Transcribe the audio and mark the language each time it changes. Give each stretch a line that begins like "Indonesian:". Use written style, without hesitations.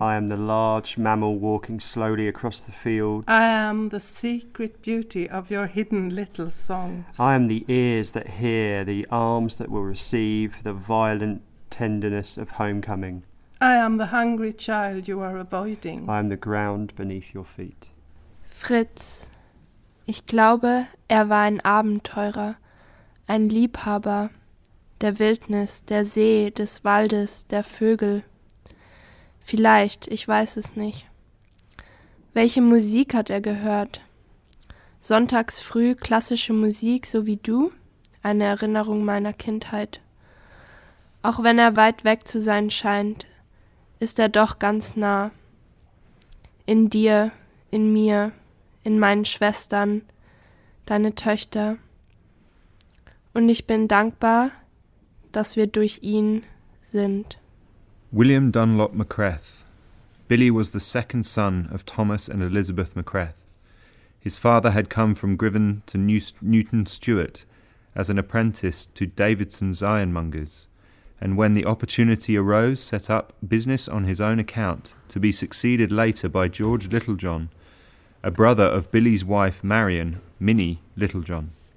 English: I am the large mammal walking slowly across the fields. I am the secret beauty of your hidden little songs. I am the ears that hear, the arms that will receive the violent tenderness of homecoming. I am the hungry child you are avoiding. I am the ground beneath your feet.
German: Fritz, ich glaube, war ein Abenteurer, ein Liebhaber. Der Wildnis, der See, des Waldes, der Vögel. Vielleicht, ich weiß es nicht. Welche Musik hat er gehört? Sonntags früh klassische Musik, so wie du? Eine Erinnerung meiner Kindheit. Auch wenn er weit weg zu sein scheint, ist er doch ganz nah. In dir, in mir, in meinen Schwestern, deine Töchter. Und ich bin dankbar, dass wir durch ihn sind.
English: William Dunlop Macreth. Billy was the second son of Thomas and Elizabeth Macreth. His father had come from Griven to Newton Stewart as an apprentice to Davidson's ironmongers, and when the opportunity arose, set up business on his own account, to be succeeded later by George Littlejohn, a brother of Billy's wife Marion, Minnie Littlejohn.